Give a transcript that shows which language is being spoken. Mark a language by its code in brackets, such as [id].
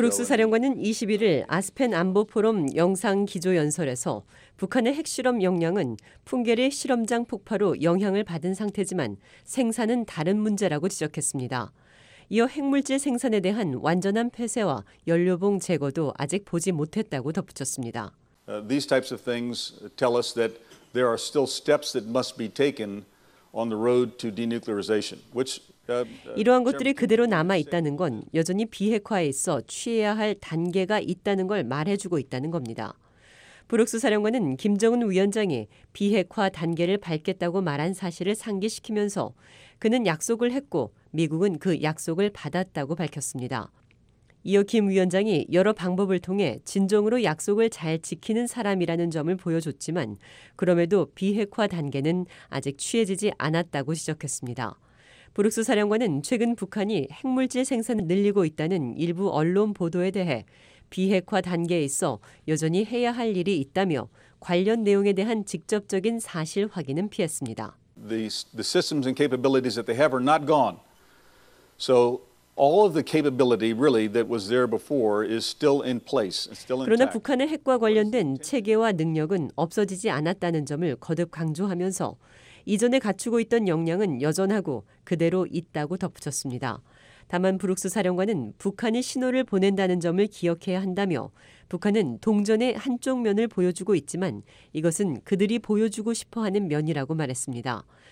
[ko] 브룩스 사령관은 21일 아스펜 안보 포럼 영상 기조 연설에서 북한의 핵실험 역량은 풍계리 실험장 폭파로 영향을 받은 상태지만 생산은 다른 문제라고 지적했습니다. 이어 핵물질 생산에 대한 완전한 폐쇄와 연료봉 제거도 아직 보지 못했다고 덧붙였습니다. [en] These types of things tell us that there are still steps that must be taken on the road to denuclearization, which [ko] 이러한 것들이 그대로 남아있다는 건 여전히 비핵화에 있어 취해야 할 단계가 있다는 걸 말해주고 있다는 겁니다. 브룩스 사령관은 김정은 위원장이 비핵화 단계를 밟겠다고 말한 사실을 상기시키면서 그는 약속을 했고 미국은 그 약속을 받았다고 밝혔습니다. 이어 김 위원장이 여러 방법을 통해 진정으로 약속을 잘 지키는 사람이라는 점을 보여줬지만 그럼에도 비핵화 단계는 아직 취해지지 않았다고 지적했습니다. 브룩스 사령관은 최근 북한이 핵물질 생산을 늘리고 있다는 일부 언론 보도에 대해 비핵화 단계에 있어 여전히 해야 할 일이 있다며 관련 내용에 대한 직접적인 사실 확인은 피했습니다. [en] The systems and capabilities that they have are not gone. So all of the capability really that was there before is still in place. Still in [ko] 그러나 북한의 핵과 관련된 체계와 능력은 없어지지 않았다는 점을 거듭 강조하면서 이전에 갖추고 있던 역량은 여전하고 그대로 있다고 덧붙였습니다. 다만 브룩스 사령관은 북한이 신호를 보낸다는 점을 기억해야 한다며 북한은 동전의 한쪽 면을 보여주고 있지만 이것은 그들이 보여주고 싶어하는 면이라고 말했습니다.